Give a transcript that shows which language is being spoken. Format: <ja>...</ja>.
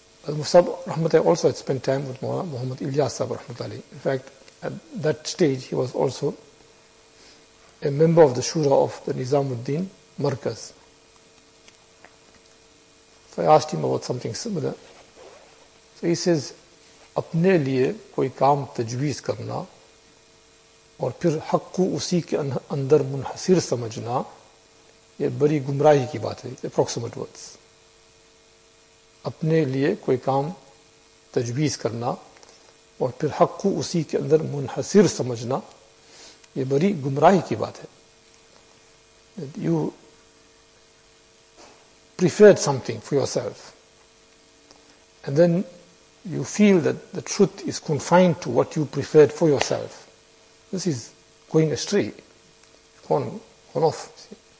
<en>Al-Musab Rahmatullah also had spent time with Muhammad Ilyas Sahib Rahmatullah. In fact, at that stage, he was also a member of the Shura of the Nizamuddin Markaz. So I asked him about something similar. So he says,</en> <ur>اپنے لئے کوئی کام تجویز کرنا اور پھر حق کو اسی کے اندر منحصر سمجھنا یہ بڑی گمراہی کی بات ہے.</ur> <en>Approximate words.</en> <ur>اپنے لئے کوئی کام تجویز کرنا اور پھر حق کو اسی کے اندر منحصر سمجھنا یہ بڑی گمراہی کی بات ہے.</ur> <en>You preferred something for yourself and then you feel that the truth is confined to what you preferred for yourself. This is going astray, gone off. See?</en>